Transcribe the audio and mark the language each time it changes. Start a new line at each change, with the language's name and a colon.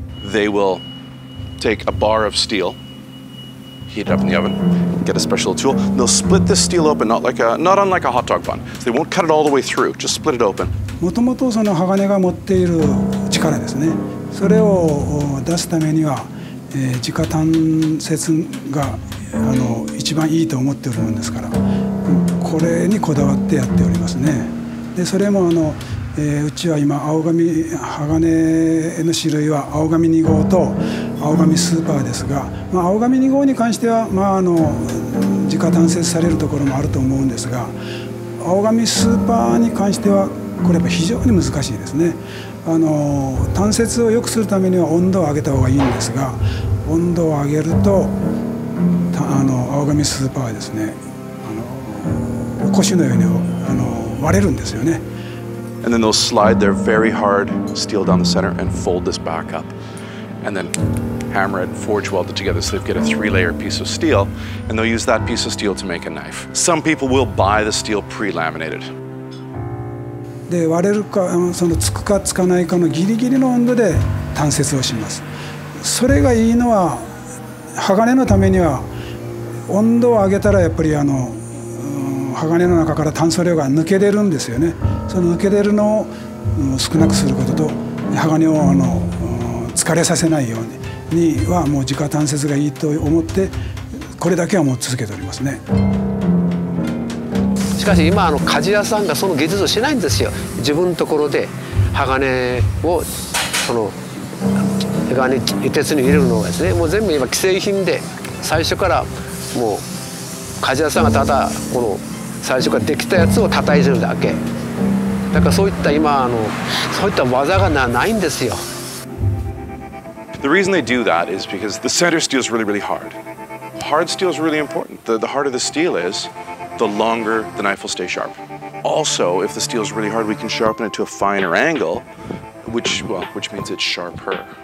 English: They will take a bar of steel, heat it up in the oven, get a special tool, and they'll split this steel open, not unlike a hot dog bun. So they won't cut it all the way through, just split it open.
Japanese: もともとその鋼が持っている力ですね。それを出すためには、直鍛接が一番いいと思っておるものですから、これにこだわってやっておりますね。でそれもうちは今青髪鋼の種類は青髪2号と青髪スーパーですが、まあ、青髪2号に関しては直鍛接されるところもあると思うんですが、青髪スーパーに関してはこれは非常に難しいですね。鍛接を良くするためには温度を上げた方がいいんですが、温度を上げると青髪スーパーはですね、腰のように割れるんですよね。
English: And then they'll slide their very hard steel down the center and fold this back up. And then hammer it, forge weld it together so they get a three-layer piece of steel. And they'll use that piece of steel to make a knife. Some people will buy the steel pre-laminated.
Japanese: で、割れるか、つくかつかないかのギリギリの温度で鍛接をします。それがいいのは、鋼のためには温度を上げたらやっぱり鋼の中から炭素量が抜け出るんですよね。その抜け出るのを少なくすることと、鋼を疲れさせないようにはもう直鍛接がいいと思って、これだけはもう続けておりますね。しかし今鍛冶屋さんがその技術をしないんですよ。自分のところで鋼をその鋼鉄に入れるのがですね、もう全部今既製品で、最初からもう鍛冶屋さんがただこの最初からできたやつを叩いてるだけ。だからそういった今そういった技が ないんですよ。
English: The reason they do that is because the center steel is really, really hard. Hard steel is really important. The harder the steel is, the longer the knife will stay sharp. Also, if the steel is really hard, we can sharpen it to a finer angle, which means it's sharper.